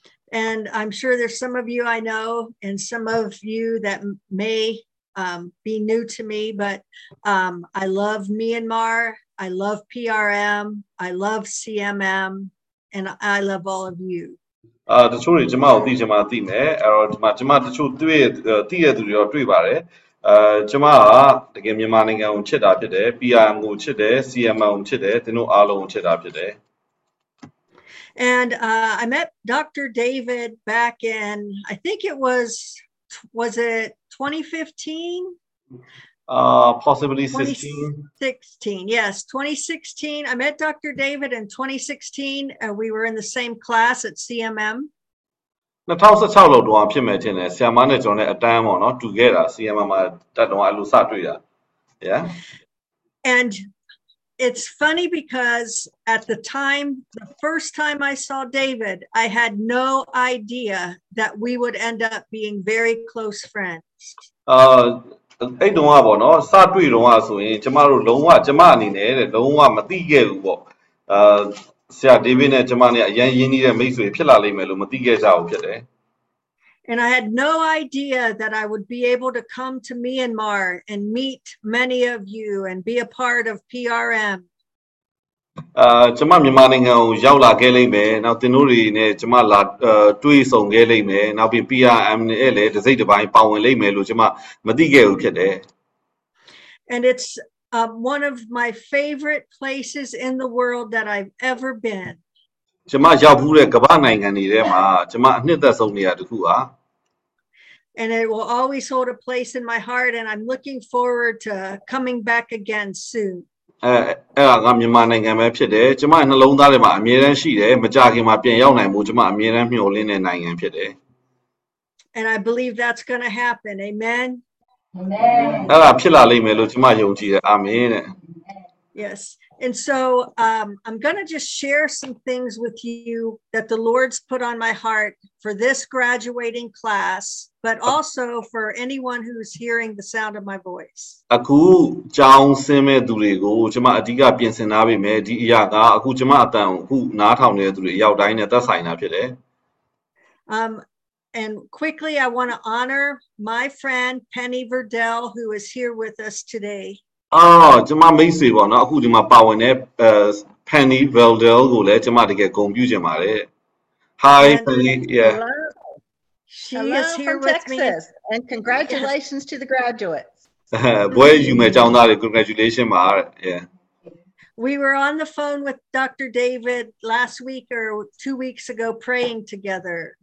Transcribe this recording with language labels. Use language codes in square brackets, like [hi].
[en] And I'm sure there's some of you I know and some of you that may be new to me, but I love Myanmar, I love PRM, I love CMM, and I love all of you. [my] တချို့တွေကျွန်မကိုသိကျွန်မသိမယ်အဲ့တော့ဒီမှာကျွန်မတချို့တွေ့တည်ရသူတွေရောတွေ့ပါတယ်ကျွန်မကတကယ်မြန်မာနိုင်ငံကိုချစ်တာဖြစ်တယ် PRM ကိုချစ်တယ် CMM ကိုချစ်တယ်သူတို့အားလုံးကိုချစ်တာဖြစ်တယ် [en] And I met Dr. David back in, I think it was it 2015? possibly 2016. 16. Yes, 2016. I met Dr. David in 2016. We were in the same class at CMM. [my] 2016 လောက်တော့ဖြစ်မယ်ထင်တယ်ဆီယမ်မားနဲ့ကျွန်တော်အတန်းပေါ့နော်တူခဲ့တာဆီယမ်မားမှာတက်တော့အဲ့လိုစတွေ့တာ yeah [en] And it's funny because at the time, the first time I saw David, I had no idea that we would end up being very close friends. [my] အဲ့တုန်းကပေါ့နော်စတွေ့တုန်းကဆိုရင်ကျမတို့လုံးဝကျမအနေနဲ့လုံးဝမသိခဲ့ဘူးပေါ့ဆရာဒေးဗစ်နဲ့ကျမနဲ့အရင်ရင်းနှီးတဲ့မိတ်ဆွေဖြစ်လာလိမ့်မယ်လို့မသိခဲ့ကြဘူးဖြစ်တယ် [en] And I had no idea that I would be able to come to Myanmar and meet many of you and be a part of PRM. [my] ကျမမြန်မာနိုင်ငံကိုရောက်လာခဲ့လိမ့်မယ်နောက်သင်တို့တွေနဲ့ကျမလာတွေ့ဆုံခဲ့လိမ့်မယ်နောက်ပြီး PRM နဲ့လည်းတစ်စိတ်တစ်ပိုင်းပါဝင်လိမ့်မယ်လို့ကျမမသိခဲ့ဘူးဖြစ်တယ် [en] And it's one of my favorite places in the world that I've ever been. [my] ကျမရောက်ဘူးတဲ့ကမ္ဘာနိုင်ငံတွေထဲမှာကျမအနှစ်သက်ဆုံးနေရာတစ်ခုပါ [en] And it will always hold a place in my heart, and I'm looking forward to coming back again soon. [my] အဲ့ဒါကမြန်မာနိုင်ငံပဲဖြစ်တယ်ကျမနှလုံးသားထဲမှာအမြဲတမ်းရှိတယ်မကြခင်မှာပြန်ရောက်နိုင်မှုကျမအမြဲတမ်းမျှော်လင့်နေနိုင်ငံဖြစ်တယ [en] And I believe that's going to happen. Amen. Amen. [my] အဲ့ဒါဖြစ်လာလိမ့်မယ်လို့ကျမယုံကြည်တယ်အာမင်တဲ့ [en] Yes. And so I'm going to just share some things with you that the Lord's put on my heart for this graduating class, but also for anyone who's hearing the sound of my voice. [my] အခုကြောင်းဆင်းမဲ့သူတွေကိုကျွန်မအဓိကပြင်ဆင်ထားပေးမယ်ဒီအရာကအခုကျွန်မအတန်အခုနားထောင်နေတဲ့သူတွေအရောက်တိုင်းနဲ့သက်ဆိုင်တာဖြစ်တယ် [en] And quickly, I want to honor my friend Penny Verdell, who is here with us today. [my] အော်ကျွန်မမိတ်ဆွေပေါ့နော်အခုဒီမှာပါဝင်တဲ့ဖန်နီဗယ်လ်ဒဲလ်ကိုလည်းကျွန်မတကယ်ဂုဏ်ပြုချင်ပါတယ် [en] Hi Penny yeah She is here from with Texas. me and congratulations to the graduates [my] ဘွယ်ယူမယ်ကျောင်းသားတွေ congratulations ပါတဲ့ yeah [en] We were on the phone with Dr. David last week or 2 weeks ago praying together